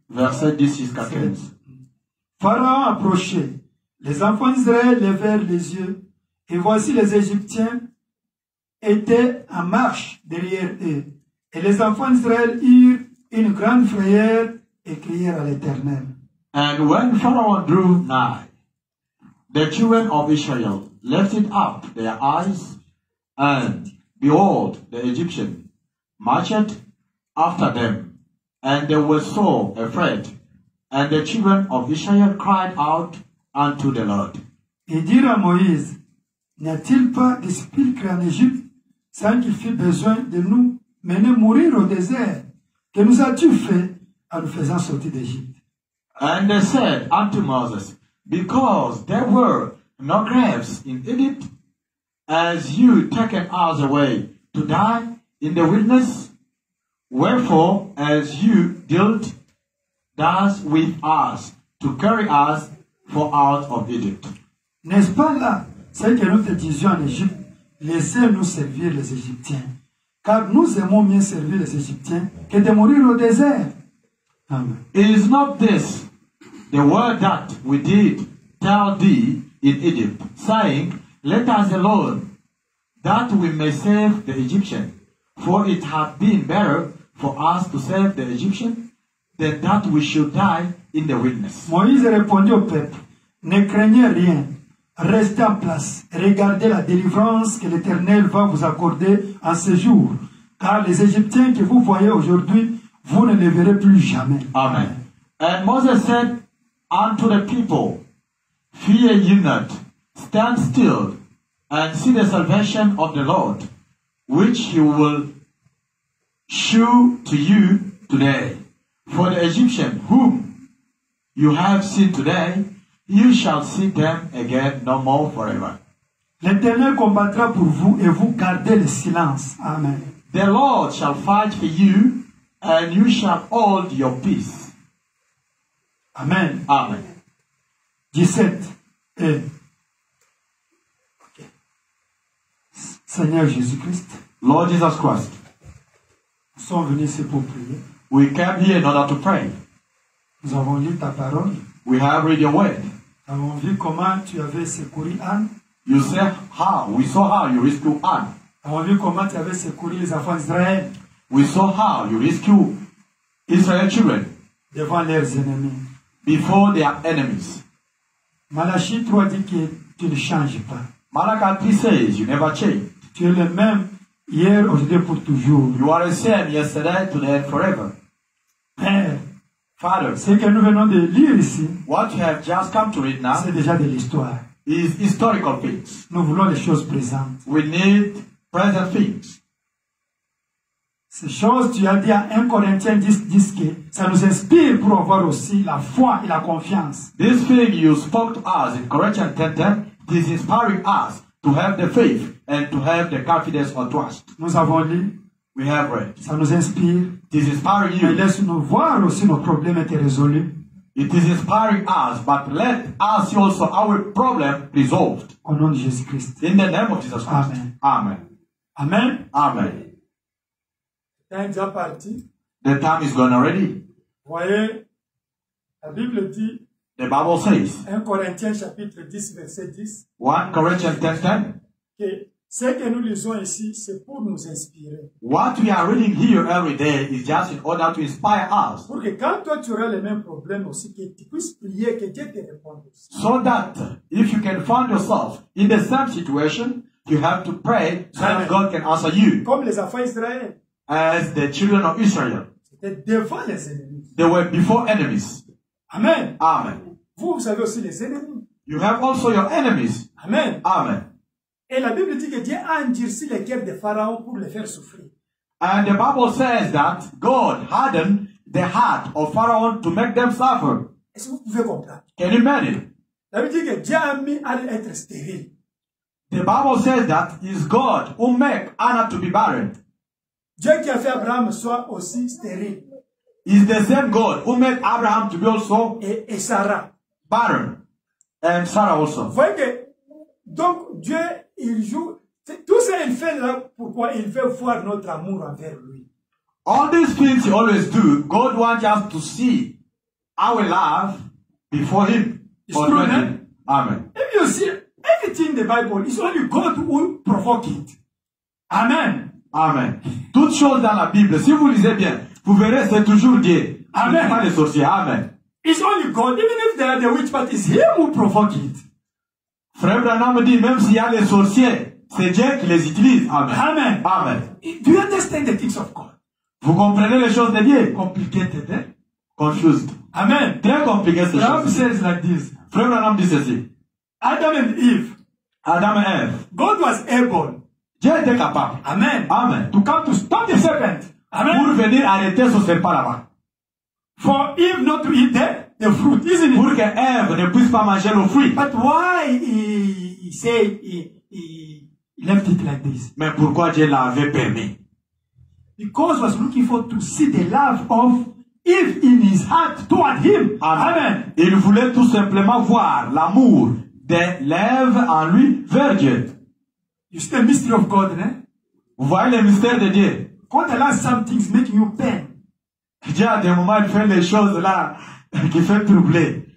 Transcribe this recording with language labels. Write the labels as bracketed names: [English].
[French] Verset 10 jusqu'à 15. Pharaon approchait. Les enfants d'Israël levèrent les yeux. Et voici les Égyptiens étaient en marche derrière eux. Et les enfants d'Israël eurent une grande frayeur et crièrent à l'Éternel. [English] And when Pharaon drew nigh, the children of Israel lifted up their eyes, and behold, the Egyptian marched after them, and they were so afraid. And the children of Israel cried out unto the Lord. [French] Et dirent à Moïse, n'y-a-t-il pas d'esprit créé en Égypte, sans qu'il fût besoin de nous mener mourir au désert? Que nous as-tu fait en nous faisant sortir d'Égypte? [English] And they said unto Moses, because there were no graves in Egypt, as you taken us away to die in the wilderness, wherefore as you dealt thus with us to carry us for out of Egypt. [French] N'est-ce pas là ce que nous te disions en Égypte? Laissez-nous servir les Égyptiens, car nous aimons mieux servir les Égyptiens que de mourir au désert. Amen. [English] Is not this the word that we did tell thee in Egypt, saying, let us alone, that we may save the Egyptian. For it hath been better for us to save the Egyptian than that we should die in the wilderness. [French] Moïse répondit au peuple, ne craignez rien, restez en place, regardez la délivrance que l'Éternel va vous accorder en ce jour. Car les Égyptiens que vous voyez aujourd'hui, vous ne les verrez plus jamais. Amen. [English] And Moses said unto the people, fear ye not, stand still and see the salvation of the Lord, which he will shew to you today. For the Egyptian whom you have seen today, you shall see them again no more forever. [French] L'Éternel combattra pour vous et vous gardez le silence. Amen. [English] The Lord shall fight for you and you shall hold your peace. Amen. Amen. 17. [French] Seigneur Jésus-Christ, [English] Lord Jesus Christ, [French] nous sommes venus ici pour prier. [English] We came here in order to pray. [French] Nous avons lu ta parole. [English] We have read your word. [French] Nous avons vu comment tu avais secouru Anne. [English] You said how. We saw how you rescued Anne. [French] Nous avons vu comment tu avais secouru les enfants d'Israël. [English] We saw how you rescued Israel's children. [French] Devant leurs ennemis. [English] Before their enemies. [French] Malachi 3 dit que tu ne changes pas. [English] Malachi says, you never change. [French] Tu es le même hier, aujourd'hui, pour toujours. [English] You are the same yesterday, today, and forever. [French] Père, [English] Father, [French] ce que nous venons de lire ici, [English] what you have just come to read now, [French] c'est déjà de l'histoire. [English] Is historical things. [French] Nous voulons les choses présentes. [English] We need present things. [French] Ces choses, tu as dit à 1 Corinthiens 10, 10 que ça nous inspire pour avoir aussi la foi et la confiance. [English] This thing you spoke to us in Corinthians 10, 10, is inspiring us to have the faith and to have the confidence or trust. [French] Nous avons lu. [English] We have read. [French] Ça nous inspire. [English] It is inspiring you. [French] Mais laisse-nous voir aussi nos problèmes être résolus. [English] It is inspiring us, but let us see also our problem resolved. [French] Au nom de Jésus Christ. [English] In the name of Jesus Christ. Amen. Amen. Amen. Amen. Time's up, party. The time is gone already. [French] Voyez, la Bible dit. [English] The Bible says, 1 Corinthians chapter 10, verse 10. 1 Corinthians 10, 10. [French] que ce que nous lisons ici, c'est pour nous inspirer. [English] What we are reading here every day is just in order to inspire us. [French] Pour que quand toi tu auras les mêmes problèmes aussi, que tu puisses prier, que Dieu te réponde. [English] So that if you can find yourself in the same situation, you have to pray so that God can answer you. [French] Comme les enfants d'Israël. [English] As the children of Israel. [French] C'était devant les ennemis. [English] They were before enemies. Amen. Amen. [French] Vous avez aussi les ennemis. [English] You have also your enemies. Amen. Amen. [French] Et la Bible dit que Dieu a endurci les cœurs de Pharaon pour les faire souffrir. [English] And the Bible says that God hardened the heart of Pharaon to make them suffer. [French] Est-ce que vous pouvez comprendre? [English] Can you imagine? [French] La Bible dit que Dieu a mis Anna à être stérile. [English] The Bible says that it's God who make Anna to be barren. [French] Dieu qui a fait Abraham soit aussi stérile. [English] It's the same God who made Abraham to be also [French] et Sarah. [English] Barren. And Sarah also. [French] Voyez que, donc Dieu, il joue, tout ça il fait là, pourquoi il veut voir notre amour envers lui. [English] All these things he always do, God wants us to see our love before him. Amen. If you see everything in the Bible, it's only God who provoke it. Amen. Amen. [French] Toutes choses dans la Bible, si vous lisez bien, vous verrez c'est toujours Dieu. Amen. Pas les sorciers. Amen. [English] It's only God, even if there are the witch, but it's him who provoke it. [French] Frère Branham dit, même s'il y a les sorciers, c'est Dieu qui les utilise. Amen. Amen. Amen. [English] Do you understand the things of God? [French] Vous comprenez les choses de Dieu? [English] Complicated, eh? Confused. Amen. [French] Très compliqué ces [English] choses. Frère says like this. [French] Frère Branham dit ceci. [English] Adam and Eve. Adam and Eve. God was able. [French] Dieu était capable. [English] Amen. Amen. To come to stop the serpent. [French] Amen. Pour venir arrêter ce serpent là-bas. [English] For Eve not to eat the fruit, isn't it? [French] Pour que Eve ne puisse pas manger le fruit. [English] But why he said he left it like this? [French] Mais pourquoi Dieu l'avait permis? [English] Because he was looking for to see the love of Eve in his heart toward him. Amen. Amen. [French] Il voulait tout simplement voir l'amour de l'Ève en lui vers Dieu. [English] You see the mystery of God, né? [French] Vous voyez le mystère de Dieu? [English] God allows some things making you pain. [French] Déjà, à des moments, il fait les choses là qui font troubler.